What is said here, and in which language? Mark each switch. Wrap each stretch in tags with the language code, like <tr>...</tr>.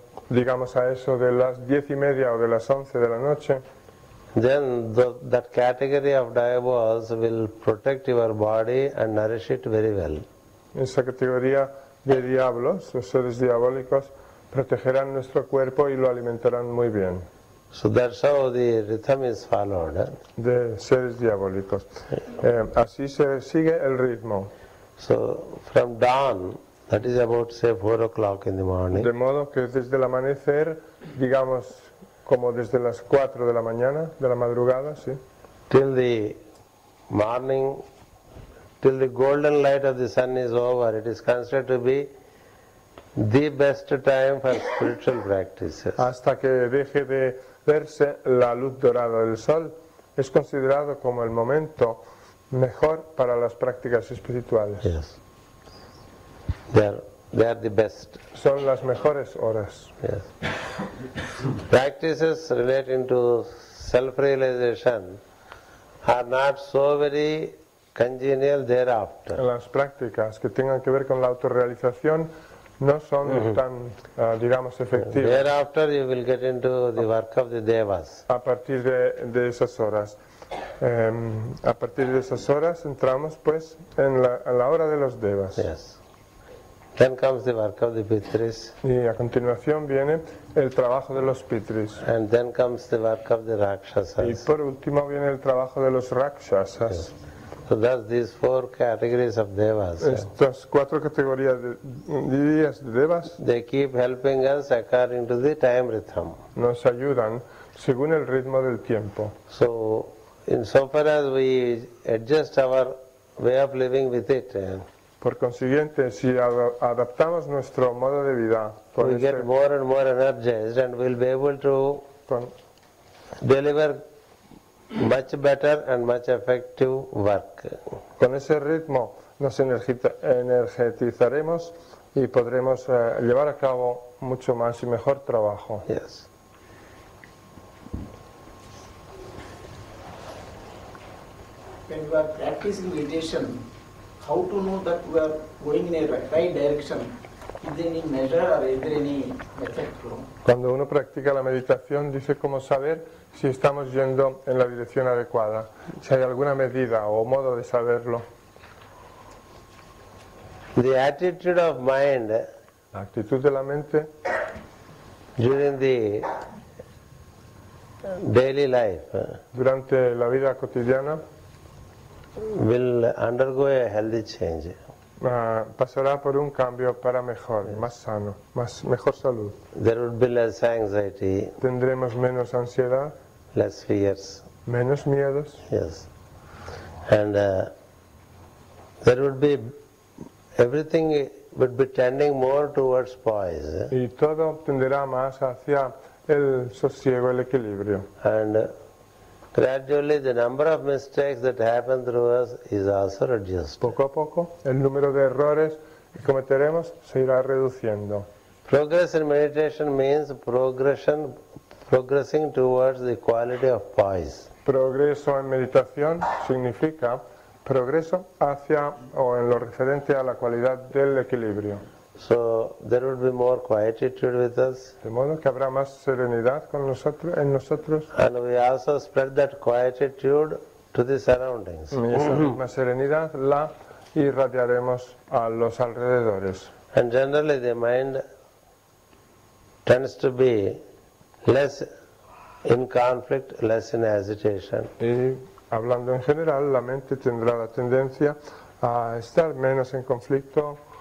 <es>digamos a eso de las 10:30 o de las 11 de la noche,</es> <en>then that category of devas will protect your body and nourish it very well.</en> <es>Esa categoría de diablos, los seres diabólicos, protegerán nuestro cuerpo y lo alimentarán muy bien.</es> <en>So that's how the rhythm is followed. Eh?</en> <es>De seres diabólicos. Así se sigue el ritmo.</es> <en>So from dawn, that is about say 4 o'clock in the morning.</en> <es>De modo que desde el amanecer, digamos, como desde las 4 de la mañana, de la madrugada, sí.</es> <en>Till the morning, till the golden light of the sun is over, it is considered to be the best time for spiritual practices.</en> <es>Hasta que deje de verse la luz dorada del sol, es considerado como el momento mejor para las prácticas espirituales.</es> <en>Yes. They are the best.</en> <es>Son las mejores horas.</es> <en>Yes. Practices relating to self-realization are not so very congenial thereafter.</en> <es>Las prácticas que tengan que ver con la autorrealización no son tan, digamos, efectivas.</es> <en>Thereafter you will get into the work of the devas.</en> <es>A partir de esas horas. A partir de esas horas entramos, pues, en la hora de los devas.</es> <en>Yes. Then comes the work of the pitris.</en> <es>Y a continuación viene el trabajo de los pitris.</es> <en>And then comes the work of the rakshasas.</en> <es>Y por último viene el trabajo de los rakshasas.</es> <en>Yes. So that's these 4 categories of devas.</en> <es>Estas 4 categorías de devas.</es> <en>They keep helping us according to the time rhythm.</en> <es>Nos ayudan según el ritmo del tiempo.</es> <en>So, in so far as we adjust our way of living with it.</en> <es>Por consiguiente, si adaptamos nuestro modo de vida,</es> <en>we get more and more energized and we'll be able to deliver much better and much effective work.</en> <es>Con ese ritmo nos energetizaremos y podremos llevar a cabo mucho más y mejor trabajo.</es> <en>Yes. When you are practicing meditation, how to know that we are going in a right direction? Is there any measure or is there any effect?</en> <es>Cuando uno practica la meditación, dice cómo saber si estamos yendo en la dirección adecuada, si hay alguna medida o modo de saberlo.</es> <en>The attitude of mind,</en> <es>la actitud de la mente,</es> <en>during the daily life,</en> <es>durante la vida cotidiana,</es> <en>will undergo a healthy change.</en> <es>Pasará por un cambio para mejor, yes. Más sano, más mejor salud.</es> <en>There will be less anxiety.</en> <es>Tendremos menos ansiedad.</es> <en>Less fears.</en> <es>Menos miedos.</es> <en>Yes. And there would be, everything would be tending more towards poise. Eh?</en> <es>Y todo tenderá más hacia el sosiego, el equilibrio.</es> <en>And gradually the number of mistakes that happen through us is also reduced.</en> <es>Poco a poco, el número de errores que cometeremos se irá reduciendo.</es> <en>Progress in meditation means progressing towards the quality of poise.</en> <es>Progreso en meditación significa progreso hacia o en lo referente a la cualidad del equilibrio.</es> <en>So there will be more quietude with us.</en> <es>De modo que habrá más serenidad con nosotros, en nosotros.</es> <en>And we also spread that quietude to the surroundings.</en> <es>Y esa más serenidad la irradiaremos a los alrededores.</es> <en>And generally the mind tends to be less in conflict, less in agitation.</en> <es>Y hablando en general, la mente tendrá la tendencia a estar menos en conflicto</es>